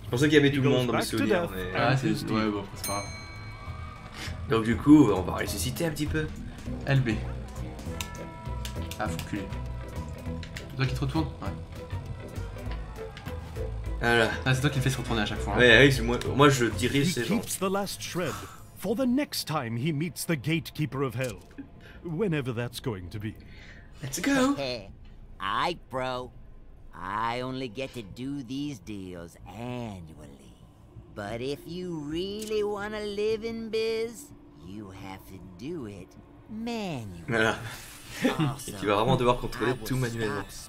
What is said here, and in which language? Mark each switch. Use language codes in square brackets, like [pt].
[fr] Je pensais qu'il y avait tout le monde dans mes souvenirs, mais... Ah, c'est... Ouais, bon, c'est pas grave. Donc du coup, on va ressusciter un petit peu. LB. Ah, faut culer. C'est toi qui te retourne? Ouais. Voilà. Ah, c'est toi qui le fais se retourner à chaque fois. Hein. Ouais, moi je dirige ces gens. [en] He keeps the last shred for the next time he meets the gatekeeper of hell. Whenever that's going to be. Let's go. Aight, bro. I only get to do these deals annually. But if you really want to live in biz, You have to do it manually. [fr] Voilà. Et qui va vraiment devoir contrôler tout manuellement.